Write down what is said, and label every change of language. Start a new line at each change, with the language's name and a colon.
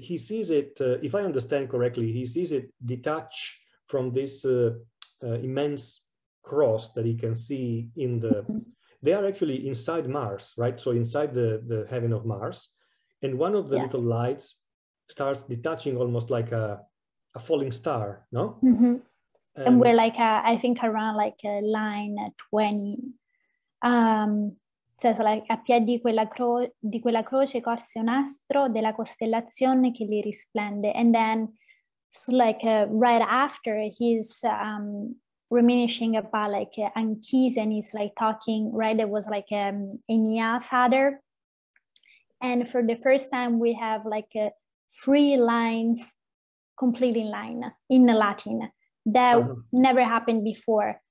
English: He sees it, if I understand correctly, he sees it detached from this immense cross that he can see in the they are actually inside Mars, right? So inside the heaven of Mars. And one of the yes. little lights starts detaching almost like a falling star, no? Mm-hmm. And we're like, I think around like a line 20. It says like,
Italian: a piedi di quella croce corse un astro della costellazione che li risplende.
English: And then so like right after his... reminiscing about like Anchises, and he's like talking, right? It was like Enya father. And for the first time, we have like three lines complete in line in Latin that never happened before.